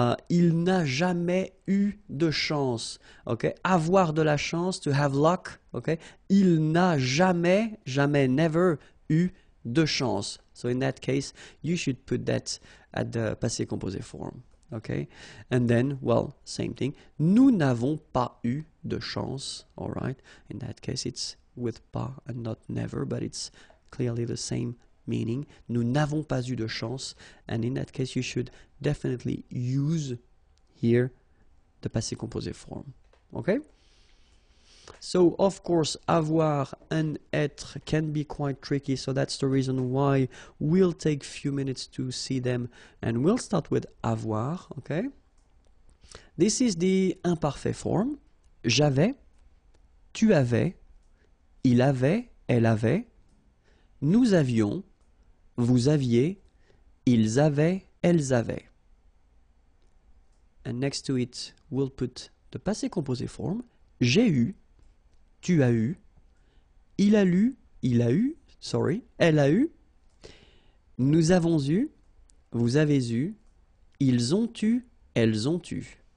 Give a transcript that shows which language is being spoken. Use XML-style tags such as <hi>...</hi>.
<fr>Il n'a jamais eu de chance. Okay, avoir de la chance,</fr> <en>to have luck.</en> <fr>Okay, il n'a jamais, jamais, never eu de chance.</fr> <en>So in that case, you should put that at the passé composé form. Okay, and then, well, same thing.</en> <fr>Nous n'avons pas eu de chance, all right?</fr> <en>In that case, it's with pas and not never, but it's clearly the same meaning.</en> <fr>Nous n'avons pas eu de chance.</fr> <en>And in that case, you should definitely use here the passé composé form, okay? So, of course, avoir and être can be quite tricky, so that's the reason why we'll take a few minutes to see them. And we'll start with avoir, okay? This is the imparfait form.</en> <fr>J'avais, tu avais, il avait, elle avait, nous avions, vous aviez, ils avaient, elles avaient.</fr> <en>And next to it, we'll put the passé composé form.</en> <fr>J'ai eu. Tu as eu, il a lu, il a eu, sorry, elle a eu, nous avons eu, vous avez eu, ils ont eu, elles ont eu.</fr>